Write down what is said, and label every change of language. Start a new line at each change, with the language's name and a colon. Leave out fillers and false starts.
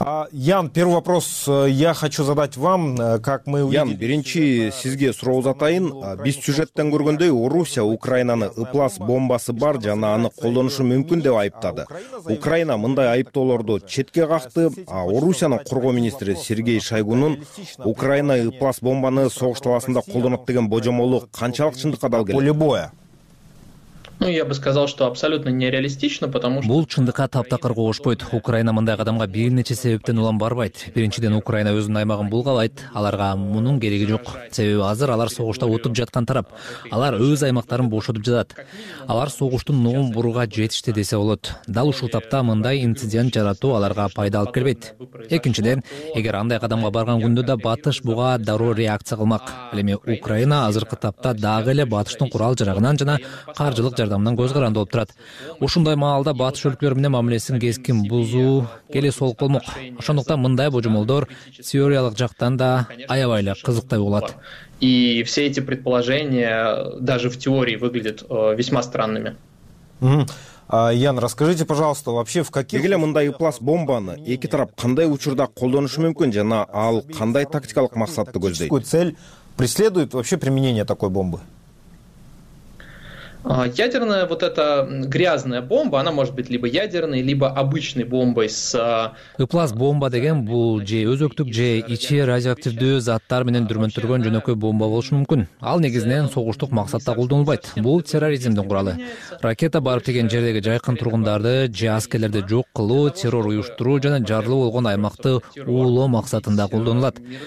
Russian: Ян, первый вопрос я хочу задать вам, как мы увидели.
Kyrgyz: Ян, биринчи сизге суроо затайын. Биз сюжеттен көргөндөй, Орусия Украинаны ыплас бомбасы бар жана аны колдонушу мүмкүн деп айыптады. Украина мындай айыптоолорду четке какты, а Орусиянын коргоо министри Сергей Шойгунун Украина ыплас бомбаны согуш талаасында колдонот деген божомолу канчалык чындыкка дал келет?
Russian: Ну, я бы сказал, что абсолютно нереалистично, потому что
Kyrgyz: бул чындыкка таптакыр коошпойт. Украина мындай кадамга бир нече себептен улам барбайт. Биринчиден, Украина өзүнүн аймагын булгалайт. Аларга мунун кереги жок. Себеби азыр алар согушта утуп жаткан тарап. Алар өз аймактарын бошотуп жатат. Алар согуштун ноомбурга жетишти десе болот. Дал ушул тапта мындай инцидент жаратуу аларга пайда алып келбейт. Экинчиден, эгер андай кадамга барган күндө да батыш буга дароо реакция кылмак. Ал эми Украина азыркы тапта дагы эле батыштын курал жарагынан жана каржылык жардамынан көз каранды болуп турат. Ушундай маалда батыш өлкөлөр менен мамилесин кескин бузуу келе солук болмок. Ошондуктан мындай божомолдор теориялык жактан да аябай эле кызыктай болот.
Russian: И все эти предположения даже в теории выглядят весьма странными. Ян, расскажите, пожалуйста, вообще в каких...
Kyrgyz: Эгеле мындай ыплас бомбаны эки тарап кандай учурда колдонушу мүмкүн жана ал кандай тактикалык максатты көздөйт?
Russian: Тактическую цель преследует вообще применение такой бомбы? Ядерная вот эта грязная бомба, она может быть либо ядерной, либо обычной бомбой с...
Kyrgyz: Ыплас бомба деген бул же өзөктүк, же ичи радиоактивдүү заттар менен дүрмөнтүргөн жөнөкөй бомба болушу мүмкүн. Ал негизинен согуштук максатта колдонулбайт. Бул терроризмдин куралы. Ракета барып тиген жердеги жайкын тургундарды же аскерлерди жок кылуу, террор уюштуруу жана жарылуу болгон аймакты уулоо максатында колдонулат.